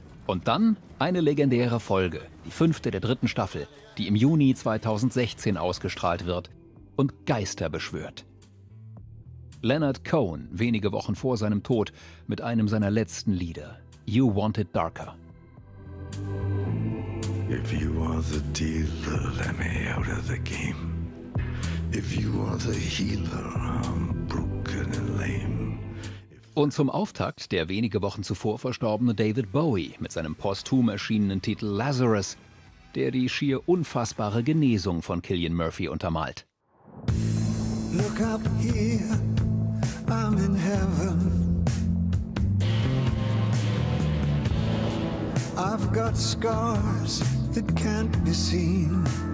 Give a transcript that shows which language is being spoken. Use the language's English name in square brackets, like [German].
[German] Und dann eine legendäre Folge, die fünfte der dritten Staffel, die im Juni 2016 ausgestrahlt wird und Geister beschwört. Leonard Cohen, wenige Wochen vor seinem Tod, mit einem seiner letzten Lieder, You Want It Darker. [English] If you are the dealer, let me out of the game. If you are the healer, I'm broken and lame. [German] Und zum Auftakt der wenige Wochen zuvor verstorbene David Bowie mit seinem posthum erschienenen Titel Lazarus, der die schier unfassbare Genesung von Cillian Murphy untermalt. [English] Look up here, I'm in heaven. I've got scars that can't be seen.